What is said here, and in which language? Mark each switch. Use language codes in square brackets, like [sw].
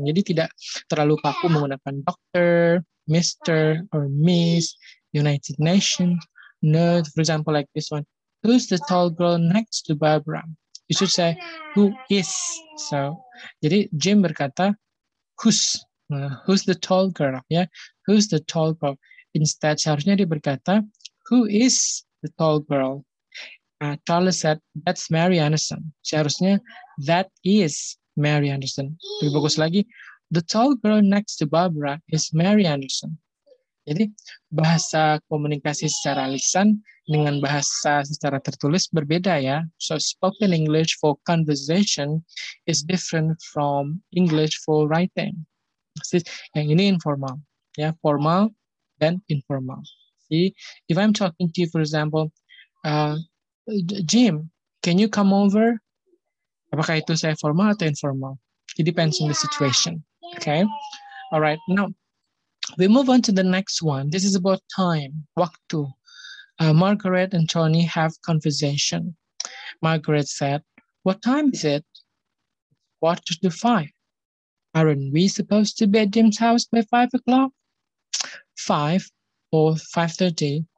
[id] Jadi tidak terlalu paku menggunakan doctor, Mr. [en] or Miss, United Nations, nurse, for example, like this one. Who's the tall girl next to Barbara? You should say, who is? So, [id] jadi Jim berkata, [en] who's the tall girl? Yeah, who's the tall girl? Instead, [id] seharusnya dia berkata, [en] who is the tall girl? Charles said, that's Mary Anderson. [id] Seharusnya, [en] that is Mary Anderson. [id] Lebih bagus lagi, [en] the tall girl next to Barbara is Mary Anderson. [id] Jadi, bahasa komunikasi secara lisan dengan bahasa secara tertulis berbeda ya. [en] So, spoken English for conversation is different from English for writing. [id] Yang ini informal. Ya, formal dan informal. [en] See, if I'm talking to you, for example, Jim, can you come over? [id] Apakah itu saya formal atau informal? [en] It depends on the situation. Okay, all right. Now we move on to the next one. This is about time. Waktu. Margaret and Tony have conversation. Margaret said, "What time is it?" 4:45. Aren't we supposed to be at Jim's house by 5:00? 5 or 5:30.